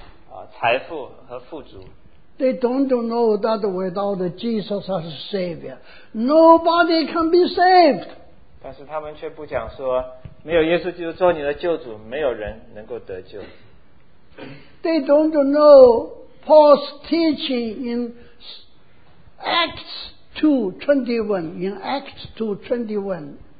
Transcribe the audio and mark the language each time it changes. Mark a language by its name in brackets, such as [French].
[Chinese] 然后让你感觉很好像阳光照在你身上，有各样的财富和富足。 [English] They don't know that without Jesus as Savior, nobody can be saved. [Chinese] 但是他们却不讲说，没有耶稣基督做你的救主，没有人能够得救。 [English] They don't know Paul's teaching in Acts 2:21.